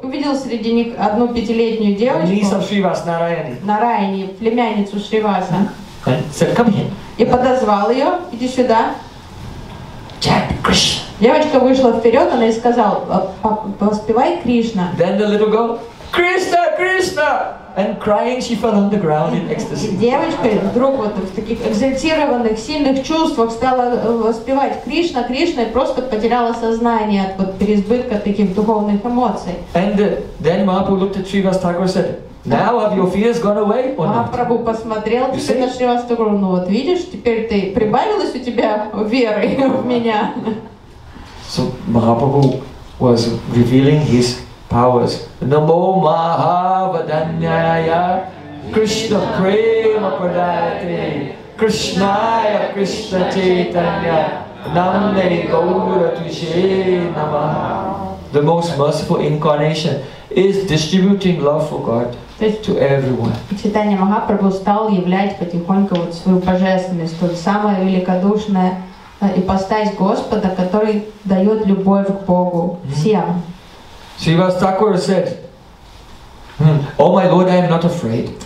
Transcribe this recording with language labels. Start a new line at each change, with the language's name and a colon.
Russian: Увидел среди них одну 5-летнюю девочку.
English: Niece of Shrivas, Narayani.
Russian: Narayani, племянницу Шривасы.
English: And said, come here.
Russian: И подозвал ее. Иди сюда.
English: Chant Krishna.
Russian: Девочка вышла вперед, она и сказала, воспевай Кришна.
English: Then the little girl, Krishna, Krishna! And crying, she fell on the ground in ecstasy.
Russian: Девочка вдруг вот в таких экзальтированных, сильных чувствах стала воспевать Кришна, Кришна, и просто потеряла сознание от вот переизбытка таких духовных эмоций.
English: And then Mahaprabhu looked at Srivast Thakur and said, Now have your fears gone away or not?
Russian: Мапрабху посмотрел на Шривасту и говорил, ну вот видишь, теперь ты прибавилась у тебя веры в меня.
English: So Mahaprabhu was revealing his powers.
Sanskrit: Namo Mahavadanyaya Krishna Prema Pradayate Krishnaya Krishna Chaitanya Namne Gaura Tvishe Namaha.
English: The most merciful incarnation is distributing love for God. To everyone.
Russian: Читание Махапрабху стал являть потихоньку вот свою божественность, тот самый великодушный ипостась Господа, который дает любовь к Богу всем.
English: Shrivast Thakur said, "Oh my Lord, I am not afraid."